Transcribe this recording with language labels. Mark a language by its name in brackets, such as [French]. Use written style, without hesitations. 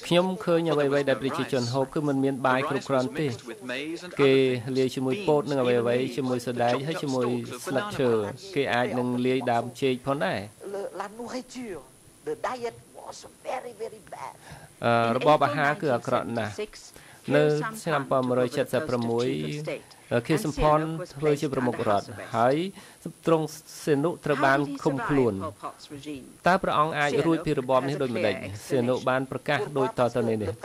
[Khmer] ខ្ញុំ ឃើញ អ្វី ដែល ប្រជាជន ហូប គឺ មិន មាន បាយ គ្រប់ គ្រាន់ ទេ គេ លាយ ជាមួយ ពោត និង អ្វី ជាមួយ សណ្តែក ហើយ ជាមួយ ស្លឹក ឈើ គេ អាច នឹង លាយ ដើម ចេក ផង ដែរ [French] La nourriture, [English] the diet was very, very bad. [Khmer] របប អាហារ គឺ អាក្រក់ ណាស់ នៅ ឆ្នាំ 1976 ខេសំផន ធ្វើ ជា ប្រមុខ រដ្ឋ ហើយ ត្រង់ សេនុ ត្រូវ បាន ឃុំ ខ្លួន តើ ព្រះអង្គ អាច រួច ពី របប នេះ ដោយ មិន សេនុ បាន ប្រកាស ដោយ ត ទៅ នេះ